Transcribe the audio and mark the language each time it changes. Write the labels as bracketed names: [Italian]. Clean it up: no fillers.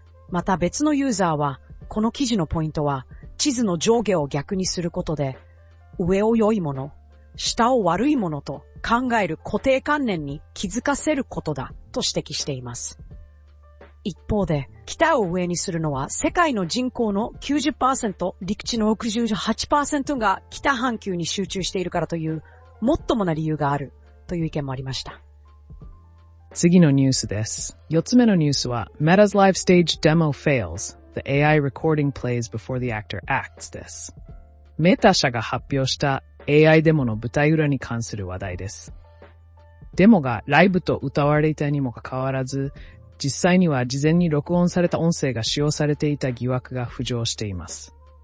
[Japanese] また別のユーザーはこの記事のポイントは地図の上下を逆にすることで、上を良いもの、下を悪いものと考える固定観念に気づかせることだと指摘しています。一方で、北を上にするのは世界の人口の 90%、陸地の 68% が北半球に集中しているからという、もっともな理由があるという意見もありました。次のニュースです。四つ目のニュースは、 [English] Meta's Live Stage Demo Fails。 The AI recording plays before the actor acts です。 [Japanese] メタ社が発表した AI デモの舞台裏に関する話題です。デモがライブと歌われていたにもかかわらず、実際には事前に録音された音声が使用されていた疑惑が浮上しています。